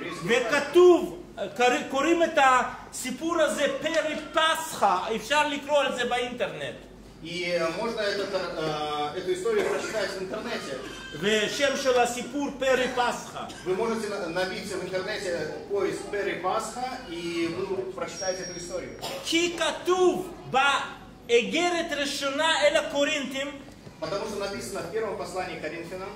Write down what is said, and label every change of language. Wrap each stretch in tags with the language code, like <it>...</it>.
<he>וכתוב, קוראים את הסיפור הזה פרי פסחה, אפשר לקרוא על זה באינטרנט.</he> <ru>И можно эту историю прочитать в интернете.</ru> <he>ושם של הסיפור פרי פסחה.</he> <ru>Вы можете набить в интернете поиск פרי פסחה и вы прочитаете эту историю.</ru> <he>כי כתוב באגרת ראשונה אל הקורינתים.</he> <ru>Потому что написано в первом послании к Коринфянам.</ru>